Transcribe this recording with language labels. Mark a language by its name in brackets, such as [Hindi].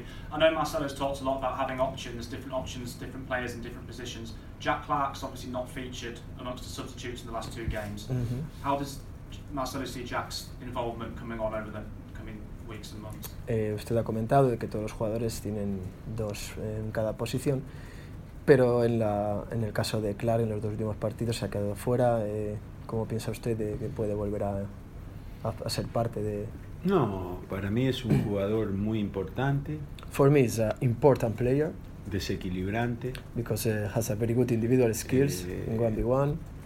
[English] I know Marcelo's talked a lot about having options, different players in different positions. Jack Clark's obviously not featured amongst the substitutes in the last 2 games. Mm-hmm. How does Marcelo see Jack's involvement coming on over the coming weeks and months? [Spanish] Usted ha comentado de que todos los jugadores tienen 2 en cada posición, pero en el caso de Clark, en los 2 últimos partidos se ha quedado fuera. ¿Cómo piensa usted de que puede volver a ser parte de? No, para mí es un jugador muy importante. [English] For me, is an important player. [Spanish] Desequilibrante. [English] Because has a very good individual skills in 1v1.